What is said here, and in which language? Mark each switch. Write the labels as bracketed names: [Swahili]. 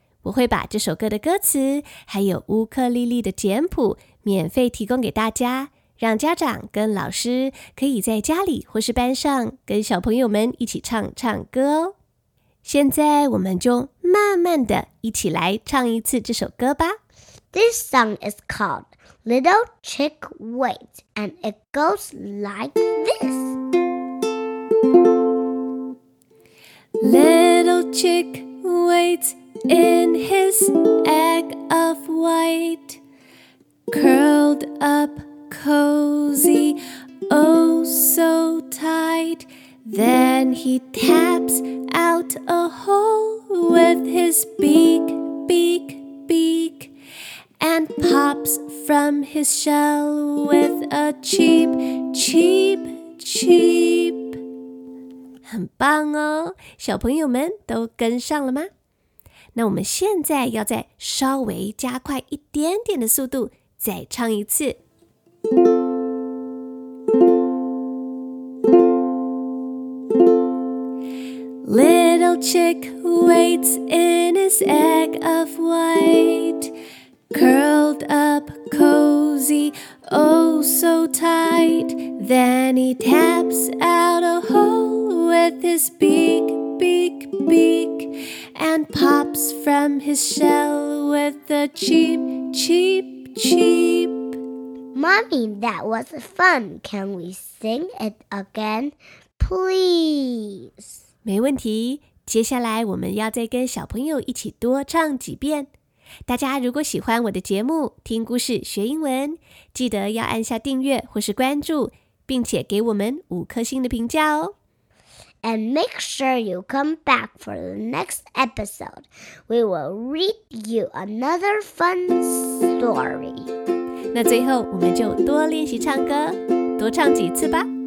[Chinese] 我会把这首歌的歌词还有乌克丽丽的简谱免费提供给大家，让家长跟老师可以在家里或是班上跟小朋友们一起唱唱歌哦。现在我们就慢慢的一起来唱一次这首歌吧。 [English] This song is called Little Chick Waits, and it goes like this. Little Chick Waits in his egg of white, curled up cozy, oh so tight. Then he taps out a hole with his beak, beak, beak, and pops from his shell with a cheep, cheep, cheep. [Chinese] 很棒哦，小朋友们都跟上了吗？那我们现在要再稍微加快一点点的速度，再唱一次。 [English] Little chick waits in his egg of white, curled up cozy, oh so tight. Then he taps out a hole with his beak, beak, beak. And pops from his shell with a cheep, cheep, cheep. Mommy, that was fun. Can we sing it again, please? [Chinese] 没问题，接下来我们要再跟小朋友一起多唱几遍。大家如果喜欢我的节目，听故事学英文，记得要按下订阅或是关注，并且给我们五颗星的评价哦。 [English] And make sure you come back for the next episode. We will read you another fun story. [Chinese] 那最后我们就多练习唱歌，多唱几次吧。